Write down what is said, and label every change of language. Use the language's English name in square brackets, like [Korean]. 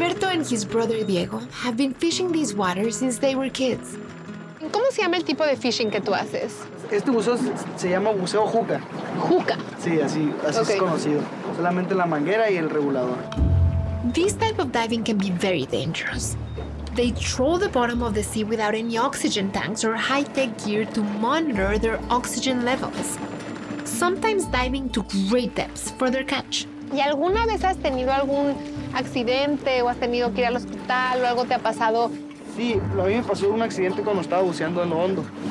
[English] and his brother Diego have been fishing these waters since they were kids. [Spanish] ¿Cómo se llama el tipo de fishing que tú haces? Este buceo se llama buceo juca. Juca. Sí, así okay. Es conocido. Solamente la manguera y el regulador. [English] This type of diving can be very dangerous. They troll the bottom of the sea without any oxygen tanks or high-tech gear to monitor their oxygen levels. Sometimes diving to great depths for their catch. [Spanish] ¿Y alguna vez has tenido algún accidente o has tenido que ir al hospital o algo te ha pasado? Sí, a mí me pasó un accidente cuando estaba buceando en lo hondo.